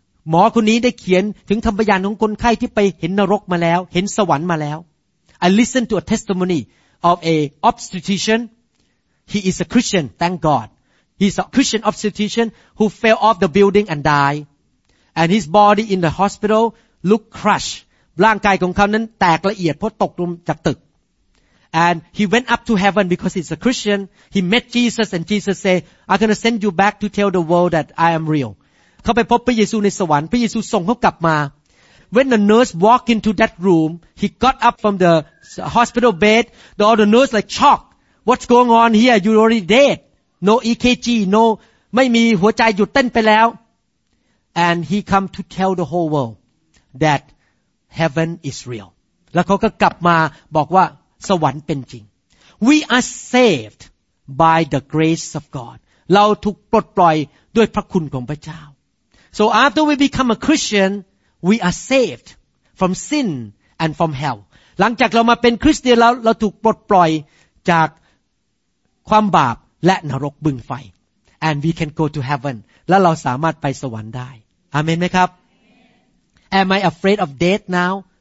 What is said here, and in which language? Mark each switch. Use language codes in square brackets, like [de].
[th] หมอคนนี้ได้เขียนถึงคำพยานของคนไข้ที่ไปเห็นนรกมาแล้ว [en] เห็นสวรรค์มาแล้ว I listen to a testimony of a obstetrician he is a Christian thank God he's a Christian obstetrician who fell off the building and died and his body in the hospital looked crushed [th] ร่างกายของเขานั้นแตกละเอียดเพราะตกลงจากตึก [en] And he went up to heaven because he's a Christian. He met Jesus and Jesus said, I'm going to send you back to tell the world that I am real. He went to Jesus in heaven. Jesus sent him back. When the nurse walked into that room, he got up from the hospital bed. All the nurse like shocked. What's going on here? You're already dead. No EKG. No, [th] ไม่มีหัวใจหยุดเต้นไปแล้ว [en] And he come to tell the whole world that heaven is real. [th] แล้วเขาก็กลับมาบอกว่าสวรรค์เป็นจริง [en] We are saved by the grace of God [th] เราถูกปลดปล่อยด้วยพระคุณของพระเจ้า [en] So after we become a Christian we are saved from sin and from hell [th] หลังจากเรามาเป็นคริสเตียนแล้วเราถูกปลดปล่อยจากความบาปและนรกบึงไฟ [en] And we can go to heaven [th] และเราสามารถไปสวรรค์ได้อาเมนไหมครับ [en] Am I afraid of death now?